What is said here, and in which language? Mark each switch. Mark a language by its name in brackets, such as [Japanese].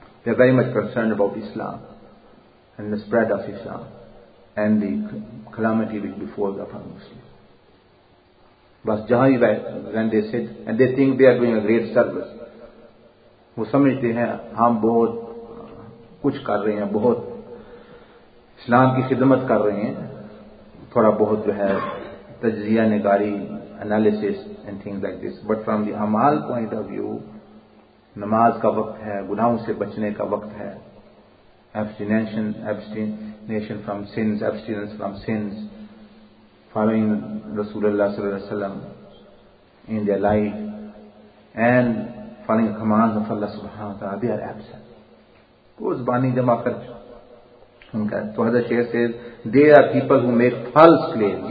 [English] They are very much concerned about Islam and the spread of Islam and the calamity which befalls upon Muslims. [Urdu] Bas jahan hi [English] when they sit and they think they are doing a great service, [Urdu] wo samajhte hain hum bahut کچھ کر رہے ہیں, بہت اسلام کی خدمت کر رہے ہیں, تھوڑا بہت جو ہے تجزیہ نگاری [English] analysis and things like this, but from the اعمال point of view, [Urdu] نماز کا وقت ہے, گناہوں سے بچنے کا وقت ہے, ایبسٹینشن [English] resignation from sins, abstinence from sins, following Rasulullah sallallahu alaihi wasallam in their life, and following the commands of Allah subhanahu wa ta'ala, they are absent. Those bani jama kar. So Hazrat Sheikh says, they are people who make false claims.